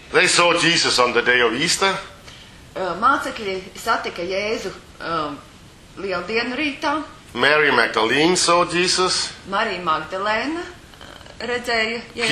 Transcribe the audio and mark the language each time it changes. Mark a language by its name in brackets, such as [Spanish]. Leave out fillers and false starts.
[English] They saw Jesus on the day of Easter. [Latvian] Mācekļi satika Jēzu lieldienu rītā. [English] Mary Magdalene saw Jesus. [Latvian] Marija Magdalēna redzēja Jēzu.